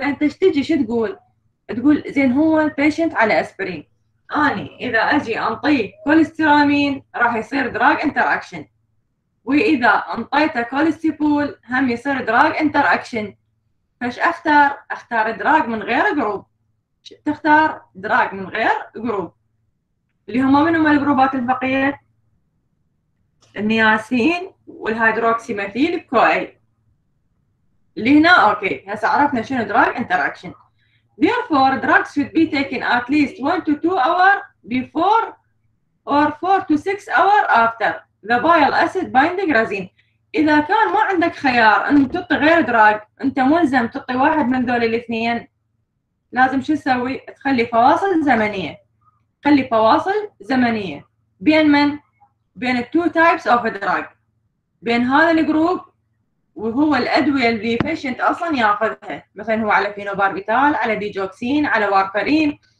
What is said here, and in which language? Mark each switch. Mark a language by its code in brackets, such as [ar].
[ar] فانت ايش تجي شو تقول؟ تقول زين هو البيشنت على اسبرين، اني اذا اجي انطيه كوليسترامين راح يصير دراج انتراكشن، واذا انطيته كوليستيبول هم يصير دراج انتراكشن، فايش اختار؟ اختار دراج من غير جروب. تختار دراج من غير جروب اللي هم منهم الجروبات البقيه النياسين والهيدروكسيميثيل كوي اللي هنا. اوكي هسه عرفنا شنو دراج انتراكشن. [en] Therefore, drugs should be taken at least 1 to 2 hours before or 4 to 6 hours after the bile acid binding resin. [ar] إذا كان ما عندك خيار أن تطي غير دراج، أنت ملزم تطي واحد من ذول الاثنين، لازم شو تسوي؟ تخلي فواصل زمنية. خلي فواصل زمنية بين من؟ بين [en] two types of drug، [ar] بين هذا الجروب وهو الأدوية اللي patient أصلاً يأخذها، مثلاً هو على فينوباربيتال، على ديجوكسين، على وارفارين.